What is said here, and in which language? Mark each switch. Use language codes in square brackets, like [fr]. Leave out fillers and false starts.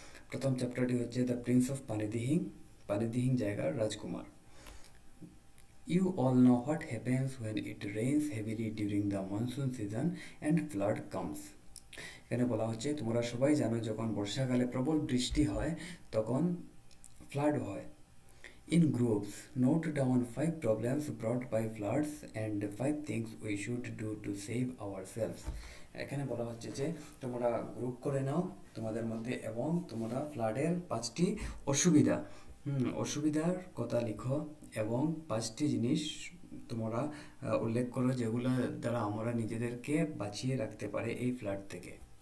[bn] প্রথম চ্যাপ্টারটি হচ্ছে the Prince of পানিদিহিং, পানিদিহিং জায়গার রাজকুমার। [en] You all know what happens when it rains heavily during the monsoon season and flood comes. [bn] এখানে বলা হচ্ছে তোমরা সবাই জানো যখন বর্ষাকালে প্রবল বৃষ্টি হয় তখন ফ্লাড হয়। [en] In groups, note down five problems brought by floods and five things we should do to save ourselves. [bn] এখানে বলা হচ্ছে যে তোমরা গ্রুপ করে নাও তোমাদের মধ্যে এবং তোমরা ফ্লাডের পাঁচটি অসুবিধা অসুবিধার কথা লিখো এবং পাঁচটি জিনিস তোমরা উল্লেখ করো যেগুলো দ্বারা আমরা নিজেদেরকে বাঁচিয়ে রাখতে পারে এই ফ্লাড থেকে।